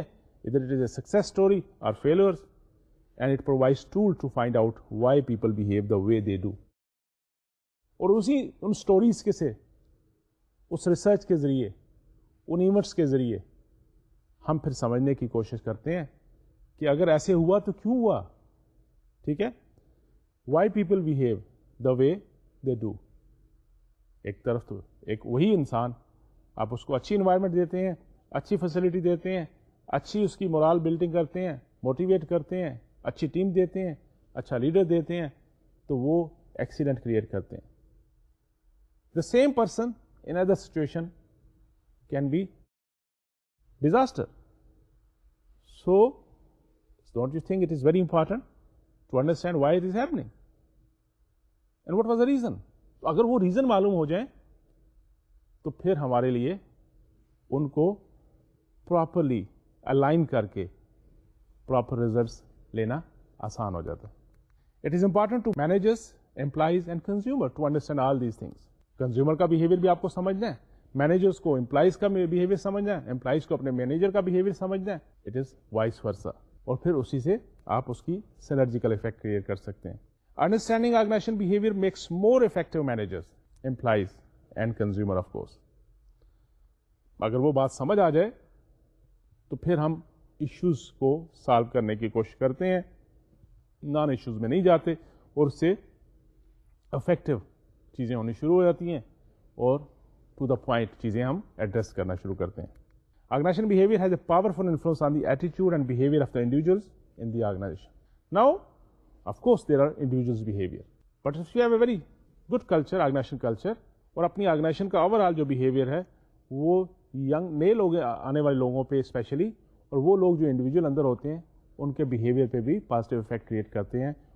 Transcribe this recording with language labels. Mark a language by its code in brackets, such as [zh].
[en] ادھر it is a success story اور failures, and it provides tool to find out why people behave the way they do. [ur] اور اسی ان stories کے سے، اس research کے ذریعے، ان ایونٹس کے ذریعے ہم پھر سمجھنے کی کوشش کرتے ہیں کہ اگر ایسے ہوا تو کیوں ہوا. [en] ٹھیک ہے، why people behave the way they do. [ur] ایک طرف تو ایک وہی انسان، آپ اس کو اچھی انوائرمنٹ دیتے ہیں، اچھی فیسلٹی دیتے ہیں، اچھی اس کی مورال بلڈنگ کرتے ہیں، موٹیویٹ کرتے ہیں، اچھی ٹیم دیتے ہیں، اچھا لیڈر دیتے ہیں، تو وہ ایکسیڈنٹ کریٹ کرتے ہیں. [en] The same person in other situation can be disaster. So don't you think it is very important to understand why it is happening and what was the reason. [ur] تو اگر وہ reason معلوم ہو جائیں تو پھر ہمارے لیے ان کو پراپرلی الائن کر کے پراپر ریزلٹس لینا آسان ہو جاتا ہے. [en] It is important to managers, employees and consumer to understand all these things. [ur] Consumer کا بیہیویئر بھی آپ کو سمجھنا ہے، مینیجرس کو امپلائیز کا بیہیویئر سمجھنا ہے، امپلائیز کو اپنے مینیجر کا بیہیویئر سمجھنا ہے، [en] It is vice versa. [ur] اور پھر اسی سے آپ اس کی سینرجیکل افیکٹ کریئر کر سکتے ہیں. [en] Understanding organisation behaviour makes more effective managers, employees and consumer of course. [ur] اگر وہ بات سمجھ آ جائے تو پھر ہم ایشوز کو سالو کرنے کی کوشش کرتے ہیں، نان ایشوز میں نہیں جاتے، اور اس سے افیکٹو چیزیں ہونی شروع ہو جاتی ہیں اور ٹو دا پوائنٹ چیزیں ہم ایڈریس کرنا شروع کرتے ہیں. [en] Organisation behaviour has a powerful influence on the attitude and behaviour of the individuals in the organisation. Now of course there are individuals behaviour, but if you have a very good culture, [ur] organization culture, اور اپنی organization کا over all جو behaviour ہے وہ young نئے لوگ آنے والے لوگوں پہ اسپیشلی، اور وہ لوگ جو انڈیویجول اندر ہوتے ہیں ان کے بیہیویئر پہ بھی پازیٹیو افیکٹ کریٹ کرتے ہیں.